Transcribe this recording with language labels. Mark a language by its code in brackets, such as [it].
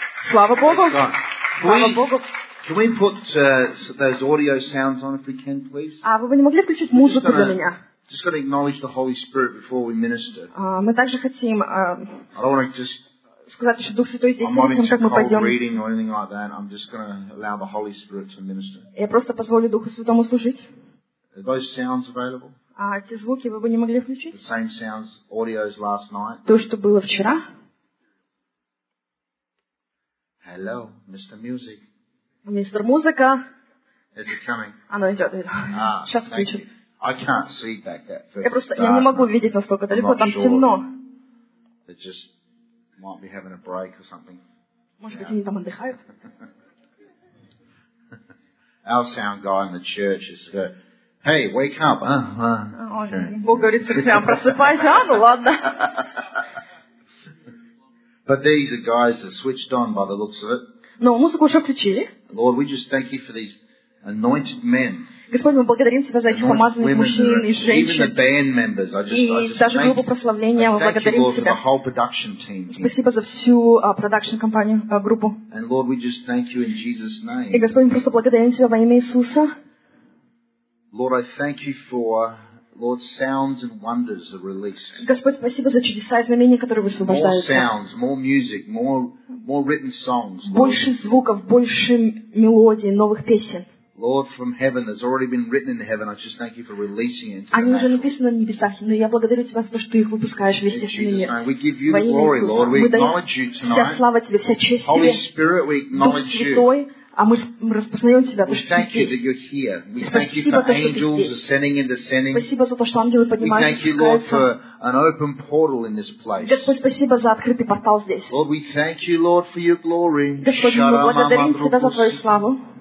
[ru] Слава Богу! Слава Богу! [en] Can we put those audio sounds on if we can, please? [ru] Вы бы не могли включить музыку для меня? [en] Just gotta acknowledge the Holy Spirit before we minister. [ru] Мы также хотим. [en] I don't want to just. [ru] Сказать, что Дух Святой здесь, перед тем, как мы пойдем. [en] I'm not into cold reading or anything like that. I'm just gonna allow the Holy Spirit to minister. [ru] Я просто позволю Духу Святому служить. [en] Are those sounds available? [ru] Эти звуки вы бы не могли включить? [en] The same sounds, audio as last night. [ru] То, что было вчера. [en] Hello, Mr. Music. [ru] Мистер Музыка. [en] Is it coming? [ru] Оно идет. Сейчас включим. [en] I can't see back that first. [ru] Я не могу видеть настолько далеко, там темно. [en] They just might be having a break or something. [ru] Может быть, они там отдыхают? [en] Our sound guy in the church is going, hey, wake up. [ru] Бог говорит, церквям, просыпайся, ну ладно. [en] But these are guys that switched on by the looks of it. [ru] Но музыку уже включили. [en] Lord, we just thank you for these anointed men. [ru] Господь, мы благодарим тебя за этих помазанных мужчин и женщин. [en] Even the band members, I just [ru] даже группу прославления, мы благодарим тебя. [en] Thank you, Lord, for the whole production team. [ru] Спасибо за всю production компанию, группу. [en] And Lord, we just thank you in Jesus' name. [ru] И Господь, мы просто благодарим тебя во имя Иисуса. [en] Lord, I thank you for Lord, sounds and wonders are released. [ru] Господь, спасибо за чудеса и знамения, которые высвобождаются. [en] More sounds, more music, more written songs. [ru] Больше звуков, больше мелодий, новых песен. [en] Lord, from heaven, that's already been written in heaven. I just thank you for releasing it. [ru] Они уже написаны на небесах, но я благодарю тебя за то, что ты их выпускаешь вместе с ними. [en] We give you the glory, Lord. We acknowledge you tonight. [ru] Вся слава тебе, вся честь тебе. [en] Holy Spirit, we acknowledge you. [ru] А мы распознаем тебя, потому что ты здесь. Спасибо за то, что ты здесь. Спасибо за то, что ангелы поднимаются и спускаются. Господь, спасибо за открытый портал здесь. [en] Lord, we thank you, Lord, for your glory. [ru] Господь, мы благодарим тебя за твою славу.